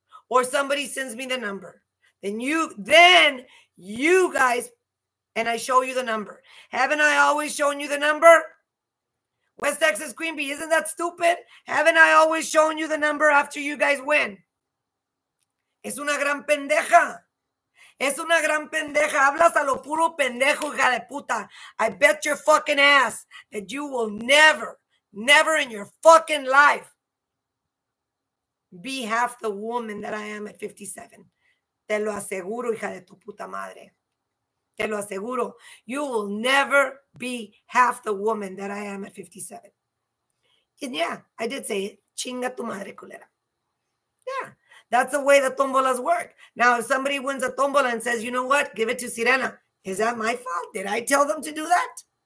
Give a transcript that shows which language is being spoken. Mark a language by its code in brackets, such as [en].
[en] Or somebody sends me the number. Then you guys, and I show you the number. Haven't I always shown you the number? West Texas Queen Bee, isn't that stupid? Haven't I always shown you the number after you guys win? [es] Es una gran pendeja. Es una gran pendeja. Hablas a lo puro pendejo, hija de puta. [en] I bet your fucking ass that you will never, never in your fucking life be half the woman that I am at 57. [es] Te lo aseguro, hija de tu puta madre. Te lo aseguro. [en] You will never be half the woman that I am at 57. And yeah, I did say it. [es] Chinga tu madre, culera. [en] Yeah. That's the way the tombolas work. Now, if somebody wins a tombola and says, you know what? Give it to Sirena. Is that my fault? Did I tell them to do that?